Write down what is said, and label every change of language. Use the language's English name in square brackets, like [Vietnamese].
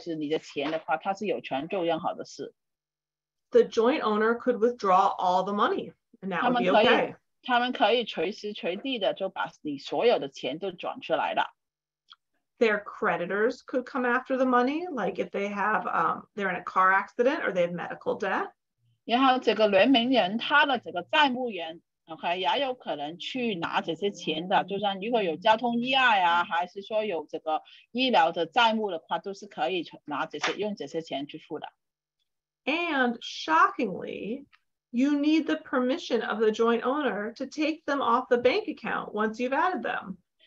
[Chinese] 就像房子一样，这个联合的账户人民人的话，他是跟你的权利是一模一样的，就是你的钱的话，他是有权做任何的事。 [English] The joint owner could withdraw all the money, and that would be okay. [Chinese] 他们可以随时随地的就把你所有的钱都转出来了。 [English] Their creditors could come after the money, like if they have, they're in a car accident or they have medical debt. [Chinese] 然后这个联名人他的这个债务人，OK，也有可能去拿这些钱的，就像如果有交通意外啊，还是说有这个医疗的债务的话，都是可以拿这些用这些钱去付的。And [English] shockingly, you need the permission of the joint owner to take them off the bank account once you've added them.